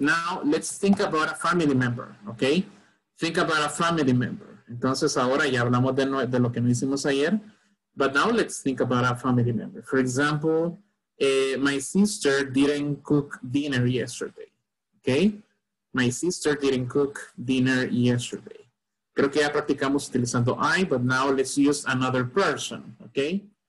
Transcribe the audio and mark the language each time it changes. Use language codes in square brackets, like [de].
[en] Now, let's think about a family member, okay? Think about a family member. [es] Entonces, ahora ya hablamos de lo que no hicimos ayer. [en] But now, let's think about a family member. For example, my sister didn't cook dinner yesterday, okay? My sister didn't cook dinner yesterday. [es] Creo que ya practicamos utilizando [en] I, but now let's use another person, okay?